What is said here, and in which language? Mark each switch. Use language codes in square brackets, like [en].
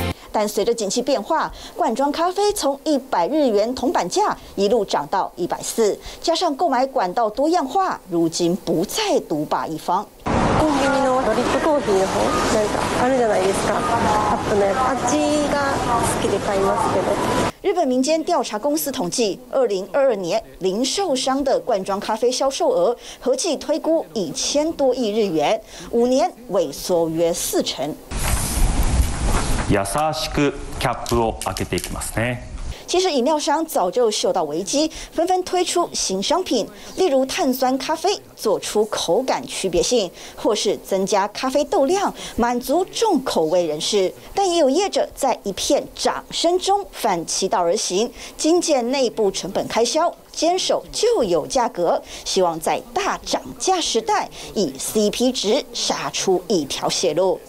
[zh] 但随着景气变化，罐装咖啡从100日元铜板价一路涨到140，加上购买管道多样化，如今不再独霸一方。 [ja] コンビニのドリップコーヒーの方なんかあるじゃないですか。カップのやつ、味が好きで買いますけど。 [zh] 日本民间调查公司统计，2022年零售商的罐装咖啡销售额合计推估1000多亿日元，5年萎缩约4成。 [ja] 優しくキャップを開けていきますね。 [zh] 其实饮料商早就嗅到危机，纷纷推出新商品，例如碳酸咖啡，做出口感区别性，或是增加咖啡豆量，满足重口味人士。但也有业者在一片掌声中反其道而行，精简内部成本开销，坚守旧有价格，希望在大涨价时代以 CP 值杀出一条血路。